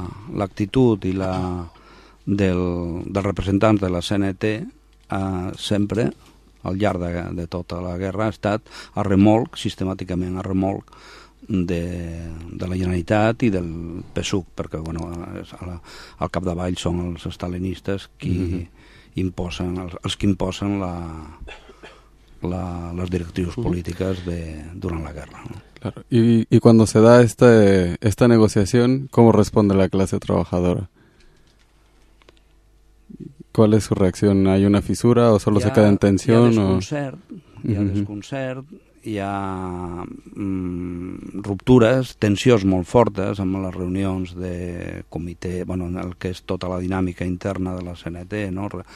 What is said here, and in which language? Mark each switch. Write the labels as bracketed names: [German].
[Catalan] L'actitud i la del representant de la CNT sempre al llarg de tota la guerra ha estat a remolc, sistemàticament a remolc de la Generalitat i del PSUC, perquè bueno, al capdavall són els estalinistes qui imposen, els que imposen les directrius polítiques durant la guerra. [Spanish] Claro. [Catalan] I quan [Spanish] se da esta [Catalan] negociació, com respon la classe treballadora? [Spanish] ¿Cuál es su reacción? ¿Hay una fisura o solo se queda en tensión? [Catalan] Hi ha desconcert, hi ha ruptures, tensions molt fortes amb les reunions de comitè, bueno, en el que és tota la dinàmica interna de la CNT, no?